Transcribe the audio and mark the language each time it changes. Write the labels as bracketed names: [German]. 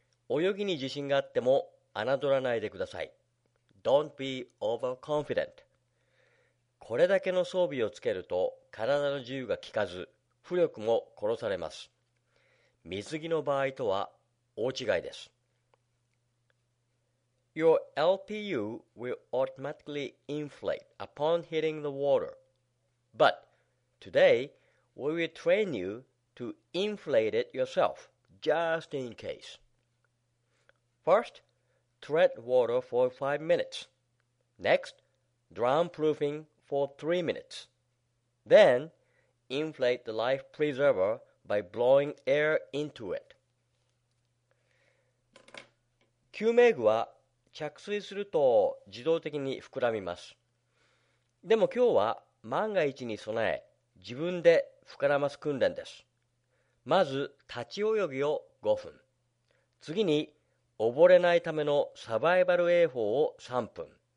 [Japanese] 泳ぎに自信があっても侮らないでください。 [English] Don't be overconfident。 [Japanese] これだけの装備をつけると体の自由が利かず、浮力も殺されます。水着の場合とは大違いです。 [English] Your LPU will automatically inflate upon hitting the water, but today we will train you to inflate it yourself just in case. First, tread water for 5 minutes. Next, drown proofing for 3 minutes. Then, inflate the life preserver by blowing air into it. [Japanese] 救命具は着水すると自動的に膨らみます。でも今日は万が一に備え、自分で膨らます訓練です。まず、立ち泳ぎを5分。次に、溺れないためのサバイバル泳法を3分。